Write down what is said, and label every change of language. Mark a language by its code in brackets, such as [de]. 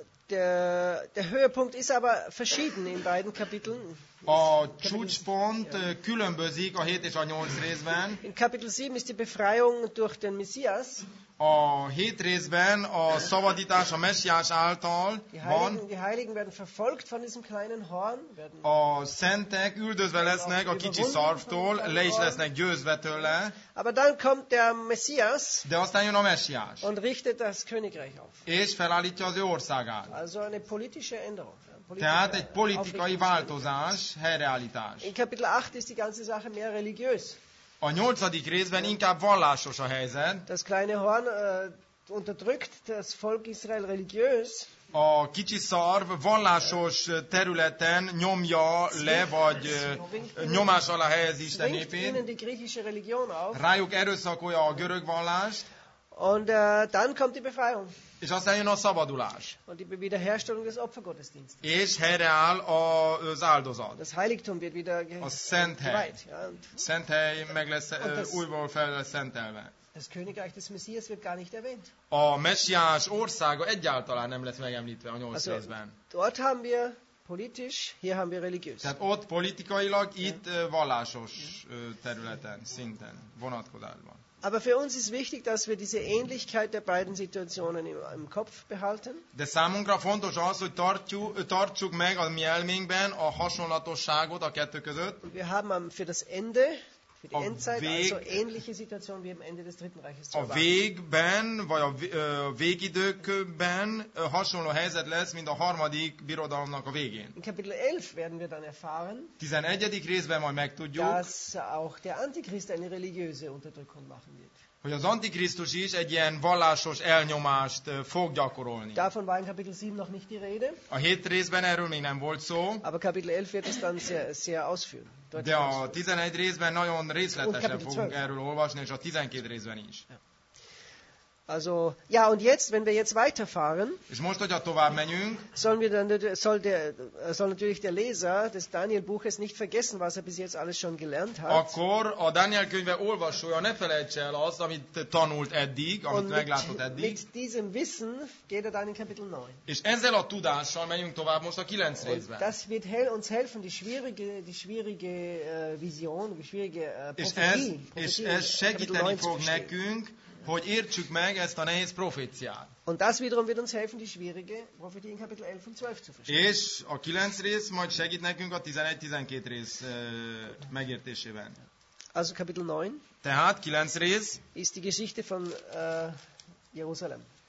[de] Der Höhepunkt ist aber verschieden in beiden Kapiteln. [hu] A csúcspont különbözik a 7 és a 8 részben. [de] In Kapitel 7 ist die Befreiung durch den Messias. [hu] A 7 részben a szabadítás a Messiás által van. [de] Die Heiligen werden verfolgt von diesem kleinen Horn. [hu] A szentek üldözve lesznek a kicsi szarvtól, le is lesznek győzve tőle. [de] Aber dann kommt der Messias. [hu] De aztán jön a Messias. [de] Und richtet das Königreich auf. [hu] És felállítja az ő országát. [de] Also eine politische Änderung. [hu] Tehát egy politikai változás, helyreállítás. [de] In Kapitel 8 ist die ganze Sache mehr religiös. [hu] A nyolcadik részben inkább vallásos a helyzet. [de] Das kleine Horn unterdrückt das Volk Israel religiös. [hu] A kicsi szarv vallásos területen nyomja le, vagy nyomás alá helyez Isten népét. [de] Die griechische Religion auf. [hu] Rájuk erőszakolja a görög vallást. [de] Und dann kommt die Befreiung. [hu] És aztán jön a szabadulás. [de] Und die Wiederherstellung des Opfergottesdienstes. [hu] És helyreáll az áldozat. [de] Das Heiligtum wird wieder geweiht. [hu] A szenthely. Szenthely meg lesz újból fel lesz szentelve. [de] Das Königreich des Messias wird gar nicht erwähnt. [hu] A Messiás országa egyáltalán nem lesz megemlítve a nyolc részben. [de] Dort haben wir politisch, hier haben wir religiös. [hu] Tehát ott politikailag, itt vallásos területen, szinten, vonatkozásban. [de] Aber für uns ist wichtig, dass wir diese Ähnlichkeit der beiden Situationen im Kopf behalten. [hu] De számunkra fontos az, hogy tartsuk meg a mi elménkben a hasonlatosságot a kettő között. [de] Und wir haben für das Ende, für die Endzeit, also ähnliche Situation wie am Ende des Dritten Reiches. [hu] A végben, vagy a végidőkben hasonló helyzet lesz, mint a harmadik birodalomnak a végén. [de] In Kapitel 11 werden wir dann erfahren, [hu] 11. részben majd megtudjuk, [de] dass auch der Antichrist eine religiöse Unterdrückung machen wird. [hu] Hogy az Antikrisztus is egy ilyen vallásos elnyomást fog gyakorolni. [de] Davon war in Kapitel 7 noch nicht die Rede. [hu] A hét részben erről még nem volt szó. [de] Aber Kapitel 11 wird es dann sehr ausführen. [hu] De a 11. részben nagyon részletesen fogunk erről olvasni, és a 12. részben is. [de] Also, ja, und jetzt, wenn wir jetzt weiterfahren, [hu] és most, hogyha tovább menjünk, [de] soll natürlich der Leser des Daniel-Buches nicht vergessen, was er bis jetzt alles schon gelernt hat. [hu] Akkor a Daniel könyve olvasója ne felejtse el azt, amit tanult eddig, amit meglátott eddig. [de] Mit diesem Wissen geht er dann in Kapitel 9. [hu] És ezzel a tudással menjünk tovább most a 9 részben. [de] Das wird uns helfen, die schwierige Vision, die schwierige Prophetie. [hu] És ez segíteni fog nekünk, hogy értsük meg ezt a nehéz proféciát. [de] Und das wiederum wird uns helfen, die schwierige Prophetie in Kapitel 11 und 12 zu verstehen. [hu] És a 9 rész majd segít nekünk a 11-12 rész megértésében. [de] Also Kapitel 9. [hu] Tehát 9 rész. [de] Ist die Geschichte von Jerusalem.